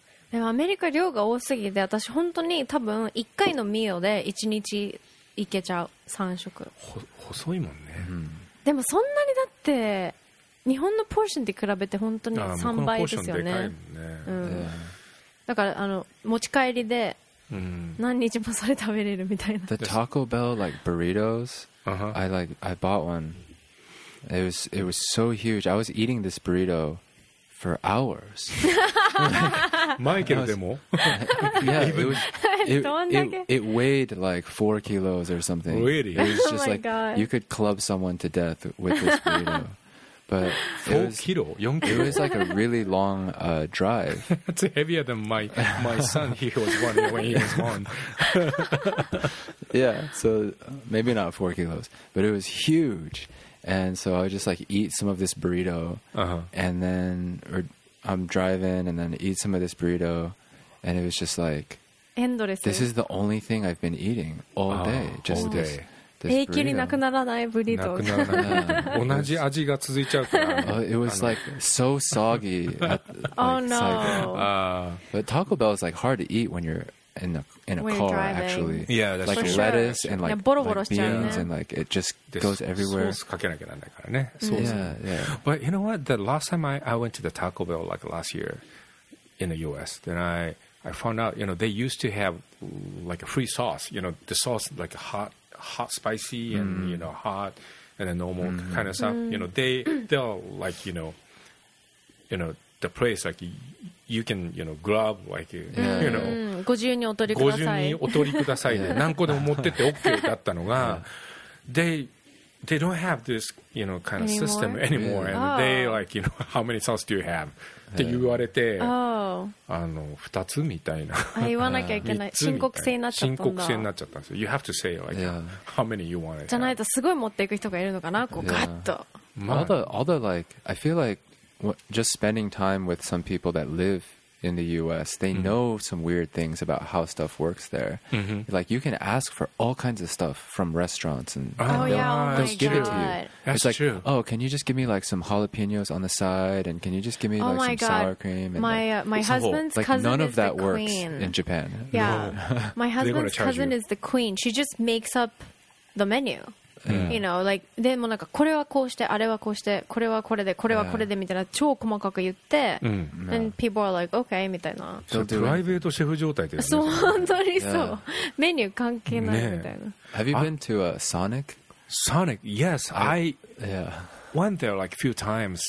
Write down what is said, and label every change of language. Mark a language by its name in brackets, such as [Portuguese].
[Japanese] でもアメリカ量が多すぎて、私本当に多分1回のミールで1日行けちゃう。3食細いもんね、でもそんなにだって日本のポーションで比べて本当に3倍ですよね。ああ、このポーションでかいもんね。だからあの持ち帰りで何日もそれ食べれるみたいな。 [English] The Taco Bell like burritos, I bought one. It was so huge. I was eating this burrito for hours. [Japanese] マイケルでも。 [English] Yeah, it weighed like 4 kilos or something. Really? It was just like you could club someone to death with this burrito. But it was like a really long drive. It's heavier than my son. He was one when he was one. Yeah, so maybe not 4 kilos, but it was huge. And so I would just like eat some of this burrito, and then I'm driving, and then eat some of this burrito, and it was just like endless. This is the only thing I've been eating all day, just all day. This. [Japanese] 永久になくならないブリート。なくならない。同じ味が続いちゃうから。 [English] It was like so soggy. Oh no. But Taco Bell is like hard to eat when you're in a car, actually. Yeah, that's like lettuce and like beans and like it just goes everywhere. [Japanese] ソースかけなきゃならないからね。 [English] Yeah. But you know what? The last time I went to the Taco Bell like last year in the U.S., then I found out, you know, they used to have like a free sauce. You know, the sauce like hot spicy and you know hot and then normal kind of stuff, you know, they're like you know the place like you can you know grab like you know [Japanese] ご自由にお取りください、ご自由にお取りくださいで何個でも持ってって OK だったのが、 [English] they they don't have this, you know, kind of system anymore. Yeah. And oh. they like, you know, how many songs do you have? [Japanese] って言われて、あの、2つみたいな。言わなきゃいけない。深刻性になっちゃったんだ。深刻性になっちゃったんですよ。 [English] You have to say like、yeah. how many you want. [Japanese] じゃないとすごい持っていく人がいるのかな、こう、yeah. ガッと。 [English] まあ、Although like, I feel like just spending time with some people that live in the US, they know some weird things about how stuff works there. Like you can ask for all kinds of stuff from restaurants and they'll give it to you. That's it's like, true. Oh, can you just give me like some jalapenos on the side and can you just give me like some sour cream? And my husband's cousin is the queen. None of that works in Japan. Yeah. My husband's cousin is the queen. She just makes up the menu. Yeah. You know, like, [Japanese] でもなんかこれはこうして、あれはこうして、これはこれで、これはこれでみたいな超細かく言って、 [English] yeah. and people are like, okay, みたいな。 [Japanese] プライベートシェフ状態ですね。そう、本当にそう。メニュー関係ないみたいな。 [English] Have you been to a Sonic? Sonic, yes, I went there like a few times.